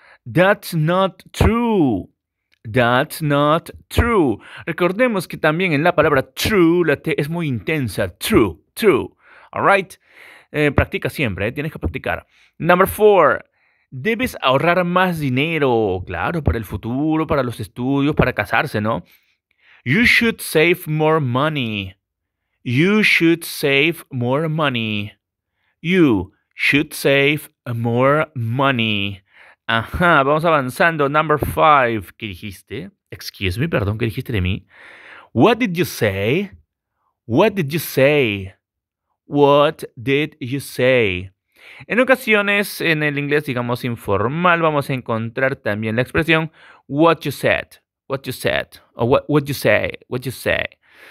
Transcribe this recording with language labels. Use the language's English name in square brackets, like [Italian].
[English] That's not true. That's not true. [Spanish] Recordemos que también en la palabra true, la T es muy intensa. [English] True, true. All right. [Spanish] Practica siempre, tienes que practicar. [English] Number 4. [Spanish] Debes ahorrar más dinero. Claro, para el futuro, para los estudios, para casarse, ¿no? [English] You should save more money. You should save more money. You should save more money. [Spanish] Ajá, vamos avanzando. [English] Number 5. [Spanish] ¿Qué dijiste? [English] Excuse me, [Spanish] perdón, ¿qué dijiste de mí? [English] What did you say? What did you say? What did you say? [Spanish] En ocasiones, en el inglés, digamos, informal, vamos a encontrar también la expresión [English] what you said. What you said. [Spanish] O [English] what you say. What you say.